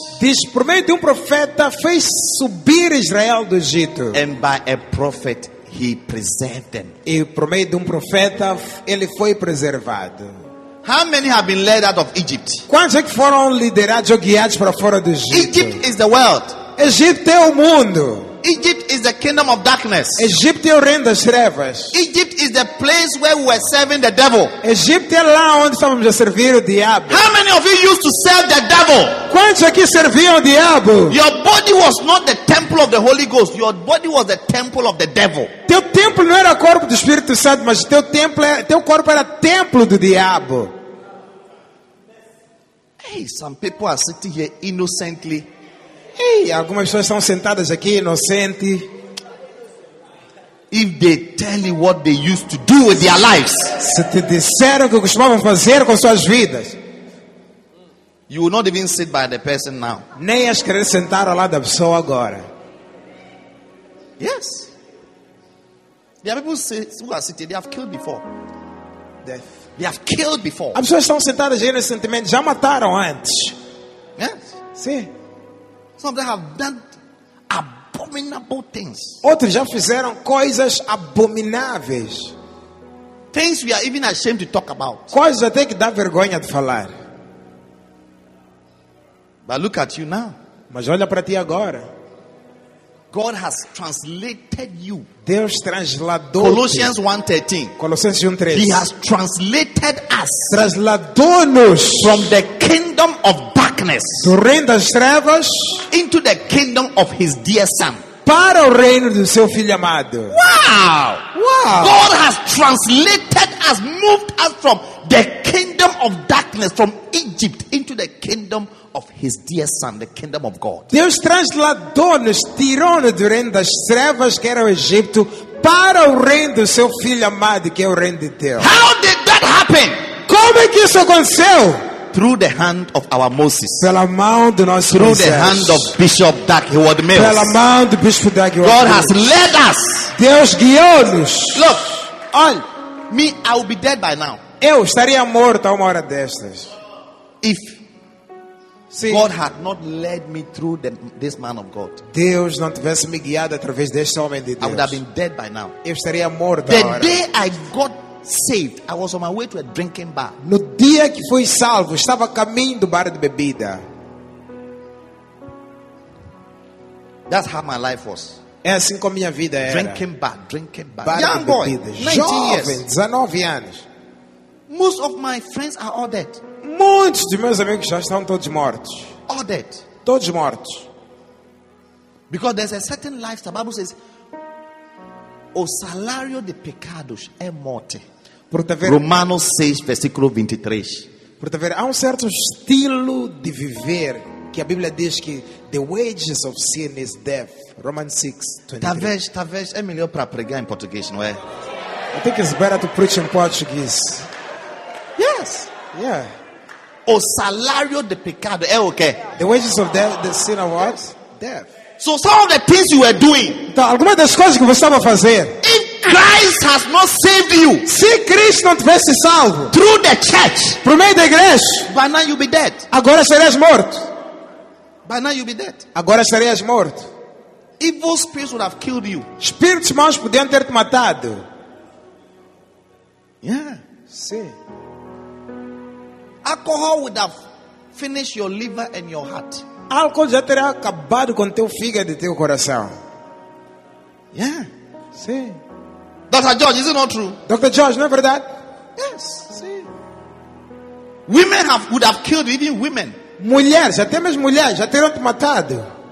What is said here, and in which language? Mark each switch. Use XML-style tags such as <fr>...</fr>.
<pt>Diz, por meio de profeta, fez subir Israel do Egito.</pt> <en>And by a prophet, he preserved them.</en> <pt>E por meio de profeta, ele foi preservado.</pt> <en>How many have been led out of Egypt?</en> <pt>Quantos é que foram liderados ou guiados para fora do Egito?</pt> <en>Egypt is the world.</en> <pt>Egito é o mundo.</pt> <en>Egypt is the kingdom of darkness.</en> <pt>Egipto é o reino das trevas.</pt> <en>Egypt is the place where we were serving the devil.</en> <pt>Egipto é lá onde estávamos a servir o diabo.</pt> <en>How many of you used to serve the devil?</en> <pt>Quantos aqui serviam o diabo?</pt> <en>Your body was not the temple of the Holy Ghost. Your body was the temple of the devil.</en> <pt>Teu templo não era o corpo do Espírito Santo, mas teu corpo era templo do diabo.</pt> <en>Hey, some people are sitting here innocently.</en> <pt>Hey, algumas pessoas estão sentadas aqui inocente.</pt> <en>If they tell you what they used to do with their lives,</en> <pt>se te disseram o que costumavam fazer com suas vidas,</pt> <en>you will not even sit by the person now.</en> <pt>Nem ias querer sentar ao lado da pessoa agora.</pt> <en>Yes. There are people who are sitting, they have killed before. Death. They have killed before.</en> <pt>As pessoas estão sentadas aí inocentemente, já mataram antes.</pt> <en>Yes.</en> <pt>Sim.</pt> <en>Some of them have done abominable things.</en> <pt>Outros já fizeram coisas abomináveis.</pt> <en>Things we are even ashamed to talk about.</en> <pt>Coisas até que dá vergonha de falar.</pt> <en>But look at you now.</en> <pt>Mas olha para ti agora.</pt> <en>God has translated you.</en> <pt>Deus transladou.</pt> <en>Colossians 1:13.</en> <pt>Colossenses 1:13.</pt> <en>He has translated us.</en> <pt>Trasladou-nos</pt> <en>from the kingdom of darkness.</en> <pt>Do reino das trevas.</pt> <en>Into the kingdom of his dear son.</en> <pt>Para o reino do seu filho amado.</pt> <en>Wow! Wow! God has translated us, moved us from the kingdom of darkness, from Egypt, into the kingdom of his dear son, the kingdom of God.</en> <pt>Deus transladou-nos, tirou-nos do reino das trevas, que era o Egito, para o reino do seu filho amado, que é o reino de Deus.</pt> <en>How did that happen?</en> <pt>Como é que isso aconteceu?</pt> <en>Through the hand of our Moses.</en> <pt>Pela mão do nosso</pt> <en>through</en> <pt>Moisés.</pt> <en>The hand of Bishop Doug Howard Mills.</en> <pt>Pela mão do Bispo Doug Howard Mills.</pt> <en>God has led us.</en> <pt>Deus guiou-nos.</pt> <en>Look, all me, I will be dead by now.</en> <pt>Eu estaria morto a uma hora destas.</pt> <en>If see, God had not led me through this man of God.</en> <pt>Deus não tivesse me guiado através deste homem de Deus.</pt> <en>I would have been dead by now.</en> <pt>Eu estaria morto.</pt> <en>The day I got saved, I was on my way to a drinking bar.</en> <pt>No dia que fui salvo, estava a caminho do bar de bebida.</pt> <en>That's how my life was.</en> <pt>É assim como minha vida era.</pt> <en>Drinking bar.</en> <pt>Bar</pt> <en>young</en> <pt>de</pt> <en>boy,</en> <pt>bebida. 19 jovem,</pt> <en>years.</en> <pt>19 anos.</pt> <en>Most of my friends are all dead.</en> <pt>Muitos de meus amigos já estão todos mortos.</pt> <en>All dead.</en> <pt>Todos mortos.</pt> <en>Because there's a certain life, the Bible says,</en> <pt>o salário de pecados é morte. Romanos 6, versículo 23. Por te ver, há certo estilo de viver que a Bíblia diz que</pt> <en>the wages of sin is death. Romans 6, 23.</en> <pt>Talvez é melhor para pregar em português, não é?</pt> <en>I think it's better to preach in Portuguese. Yes. Yeah.</en> <pt>O salário de pecado é o quê?</pt> <en>The wages of death, the sin of what? Death. So some of the things you were doing.</en> <pt>Então, algumas das coisas que você estava a fazer.</pt> <en>If Christ has not saved you.</en> <pt>Se Cristo não tivesse salvo.</pt> <en>Through the church.</en> <pt>Por meio da igreja.</pt> <en>By now you'll be dead.</en> <pt>Agora serias morto.</pt> <en>By now you'll be dead.</en> <pt>Agora serias morto.</pt> <en>Evil spirits would have killed you.</en> <pt>Espíritos maus podiam ter te matado.</pt> <en>Yeah.</en> <pt>Sim.</pt> <en>Alcohol would have finished your liver and your heart.</en> <pt>Álcool já teria acabado com teu fígado e teu coração.</pt> <en>Yeah.</en> <pt>Sim.</pt> <en>Dr. George, is it not true? Dr. George, never that? Yes. Sim. Women have would have killed even women.</en> <pt>Mulheres, até mesmo mulheres, já teriam te matado.</pt>